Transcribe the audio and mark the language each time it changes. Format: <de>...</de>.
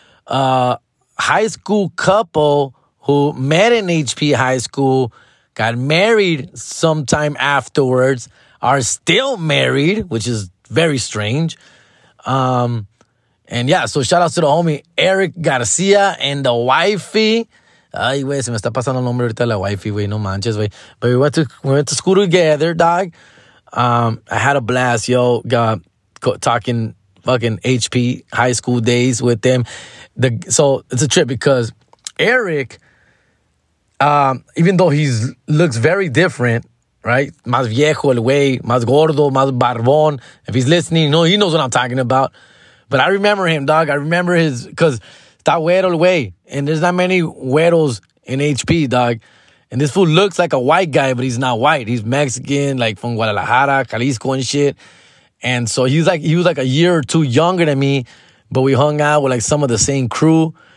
<en>High school couple who met in HP High School, got married sometime afterwards, are still married, which is very strange. And, yeah, so shout-outs to the homie Eric Garcia and the wifey.</en> <es>Ay, güey, se me está pasando el nombre ahorita de la wifey, güey. No manches, güey.</es> <en>But we went to school together, dog. I had a blast, yo. Talking fucking HP high school days with them. So it's a trip because Eric, even though he looks very different, right?</en> <es>Más viejo el güey, más gordo, más barbón.</es> <en>If he's listening, you know, he knows what I'm talking about. But I remember him, dog. I remember his, because... That güero, güey. And there's not many güeros in HP, dog. And this fool looks like a white guy, but he's not white. He's Mexican, like from Guadalajara, Jalisco and shit. And so he was like a year or two younger than me, but we hung out with like some of the same crew.</en>